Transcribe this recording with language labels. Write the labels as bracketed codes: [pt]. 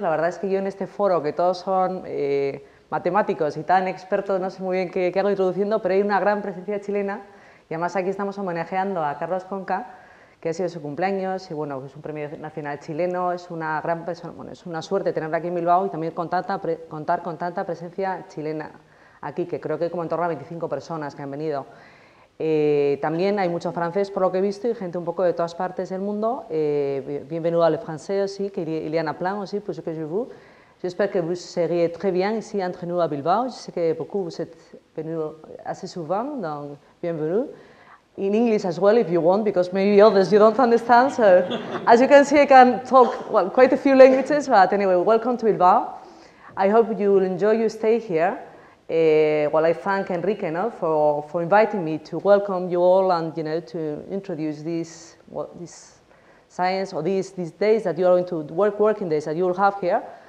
[es] La verdad es que yo en este foro, que todos son matemáticos y tan expertos, no sé muy bien qué hago introduciendo, pero hay una gran presencia chilena y además aquí estamos homenajeando a Carlos Conca, que ha sido su cumpleaños y bueno, es un premio nacional chileno, es una gran persona, bueno, es una suerte tenerla aquí en Bilbao y también contar con tanta presencia chilena aquí, que creo que hay como en torno a 25 personas que han venido. También hay mucho francés, por lo que he visto, y gente un poco de todas partes del mundo. Bienvenido a los franceses, sí, que [fr] il y en a [es] plan, sí, por lo que yo veo. Yo espero que [fr] vous seriez très bien ici entre nous à Bilbao. Je sais que beaucoup vous êtes venus assez souvent, donc bienvenue. [en] In English as well, if you want, because maybe others you don't understand. So, as you can see, I can talk well, quite a few languages, but anyway, welcome to Bilbao. I hope you will enjoy your stay here. Well, I thank Enrique, no, for inviting me to welcome you all and, you know, to introduce this science or these days that you are going to working days that you will have here.